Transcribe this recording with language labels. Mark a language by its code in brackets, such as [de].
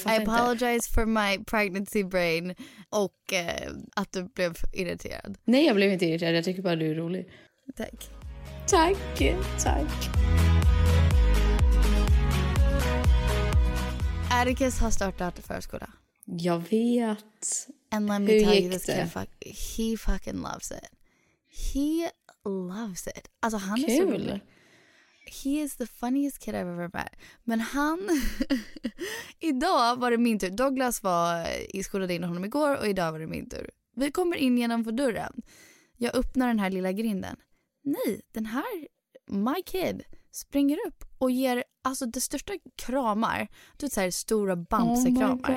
[en] I apologize for my pregnancy brain. [sv] Och att du blev irriterad. Nej, jag blev inte irriterad. Jag tycker bara du är rolig. Tack. Tack, tack. Atticus har startat förskola. Jag vet. [en] And let me tell you this kid, he fucking loves it. He loves it. [sv] Alltså han är så rolig. [en] He is the funniest kid I've ever met. [sv] Men han, idag var det min tur. Douglas var i skolan in honom igår och idag var det min tur. Vi kommer in genom för dörren. Jag öppnar den här lilla grinden. Nej, den här, [en] my kid, [sv] springer upp och ger... Alltså det största kramar, du säger stora bamsekramar,